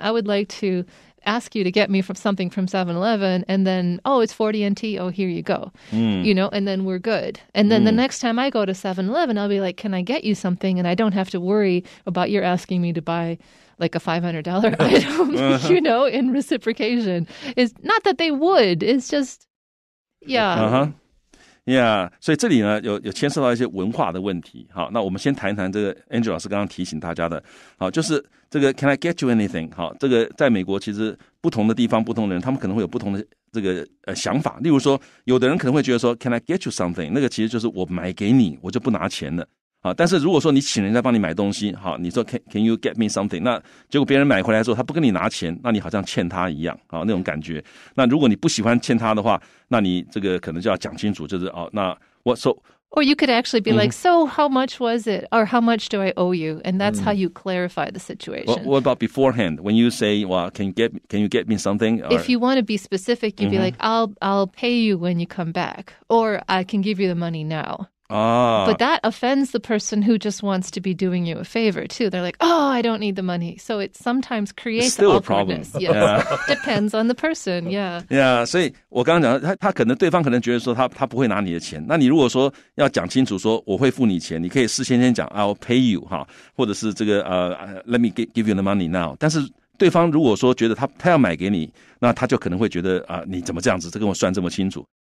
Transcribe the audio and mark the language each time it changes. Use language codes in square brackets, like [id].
[en] I would like to ask you to get me from something from 7-Eleven, and then, oh, it's 40 NT, oh, here you go. You know, and then we're good. And then the next time I go to 7-Eleven, I'll be like, can I get you something? And I don't have to worry about your asking me to buy like a $500 item, you know, in reciprocation. It's not that they would, it's just, [zh] Yeah, 所以这里呢有牵涉到一些文化的问题。好，那我们先谈一谈这个 Angel 老师刚刚提醒大家的。好，就是这个 [en] Can I get you anything? [zh] 好，这个在美国其实不同的地方不同的人他们可能会有不同的这个想法。例如说有的人可能会觉得说 [en] Can I get you something? [zh] 那个其实就是我买给你我就不拿钱了。好，但是如果说你请人家帮你买东西，好，你说 [en] Can you get me something? [zh] 那结果别人买回来之后他不跟你拿钱，那你好像欠他一样，好，那种感觉。那如果你不喜欢欠他的话，那你这个可能就要讲清楚，就是哦，那 [en] what so? Or you could actually be like, so how much was it? Or how much do I owe you? And that's how you clarify the situation. What about beforehand? When you say, well, can you get me something? Or, if you want to be specific, you'd be like, I'll pay you when you come back. Or I can give you the money now. But that offends the person who just wants to be doing you a favor, too. They're like, oh, I don't need the money. So it sometimes creates still a problem. Depends on the person, yeah. [zh] Yeah, 所以我刚刚讲他可能对方可能觉得说他不会拿你的钱。那你如果说要讲清楚说我会付你钱，你可以事先讲 [en] I'll pay you, [zh] 哈，或者是这个 [en] let me give you the money now. [zh] 但是对方如果说觉得他要买给你，那他就可能会觉得你怎么这样子，这跟我算这么清楚。